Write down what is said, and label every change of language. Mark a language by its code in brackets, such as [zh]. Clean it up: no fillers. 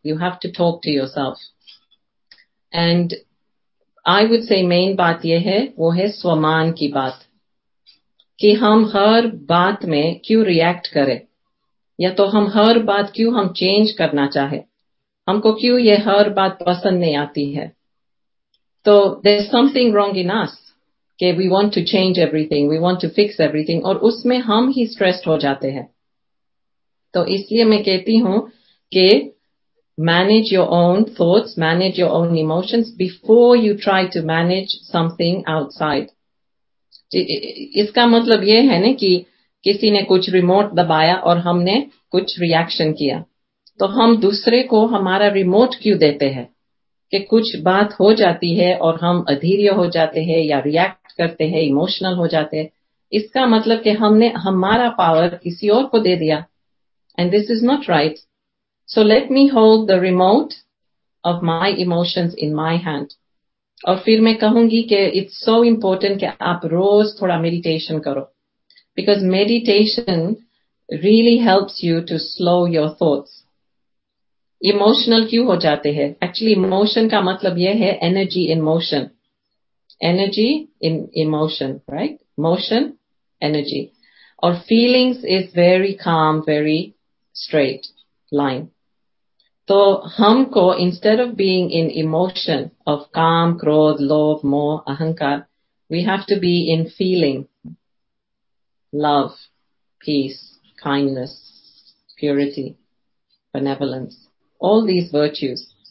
[en] You have to talk to yourself. And I would say [hi] main बात यह है, वो है स्वमान की बात, कि हम हर बात में क्यों रिएक्ट करें, या तो हम हर बात क्यों हम चेंज करना चाहे, हमको क्यों ये हर बात पसंद नहीं आती है. [en] तो there is something wrong in us, के we want to change everything, we want to fix everything, [hi] और उसमें हम ही स्ट्रेस्ड हो जाते हैं. तो इसलिए मैं कहती हूं कि [en] manage your own thoughts, manage your own emotions before you try to manage something outside. [hi] इसका मतलब ये है ना कि किसी ने कुछ रिमोट दबाया और हमने कुछ रिएक्शन किया, तो हम दूसरे को हमारा रिमोट क्यों देते हैं, कि कुछ बात हो जाती है और हम अधीर्य हो जाते हैं या रिएक्ट करते हैं, इमोशनल हो जाते हैं. इसका मतलब कि हमने हमारा पावर किसी और को दे दिया, [en] And this is not right. So let me hold the remote of my emotions in my hand. [hi] और फिर मैं कहूंगी कि [en] it's so important [hi] कि आप रोज थोड़ा meditation करो. [en] Because meditation really helps you to slow your thoughts. [hi] Emotional क्यों हो जाते हैं? [en] Actually emotion [hi] का मतलब यह है [en] energy in motion. Energy in emotion, right? Motion, energy. और feelings is very calm, very straight line. तो हमको instead of being in emotion of kaam, krodh, lobh, moh, ahankar, we have to be in feeling love, peace, kindness, purity, benevolence, all these virtues.